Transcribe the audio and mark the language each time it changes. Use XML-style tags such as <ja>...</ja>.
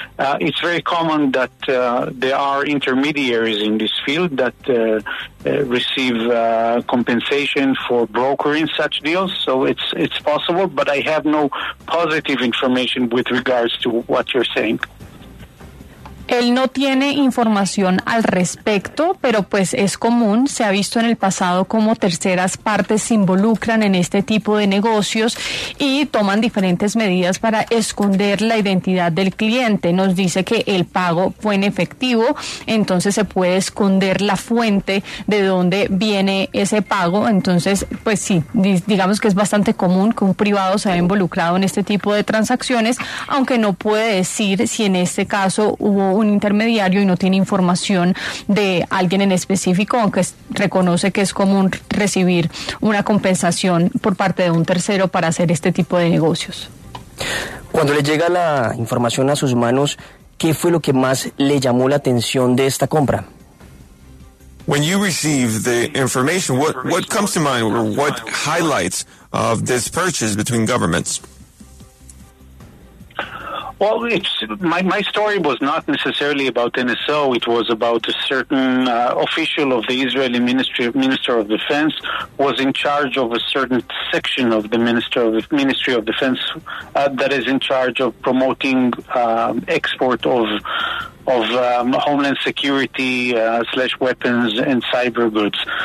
<en>It's very common that there are intermediaries in this field that receive compensation for brokering such deals. So it's possible, but I have no positive information with regards to what you're saying.</en> <es>Él no tiene información al respecto, pero pues es común, se ha visto en el pasado cómo terceras partes se involucran en este tipo de negocios y toman diferentes medidas para esconder la identidad del cliente. Nos dice que el pago fue en efectivo, entonces se puede esconder la fuente de dónde viene ese pago. Entonces, pues sí, digamos que es bastante común que un privado se haya involucrado en este tipo de transacciones, aunque no puede decir si en este caso hubo un intermediario y no tiene información de alguien en específico, aunque reconoce que es común recibir una compensación por parte de un tercero para hacer este tipo de negocios. Cuando le llega la información a sus manos, ¿qué fue lo que más le llamó la atención de esta compra?</es> <en>When you receive the information, what comes to mind or what highlights of this purchase between governments? Well, my story was not necessarily about NSO. It was about a certain official of the Israeli Minister of Defense was in charge of a certain section of the Ministry of Defense that is in charge of promoting export of homeland security / weapons and cyber goods.</en>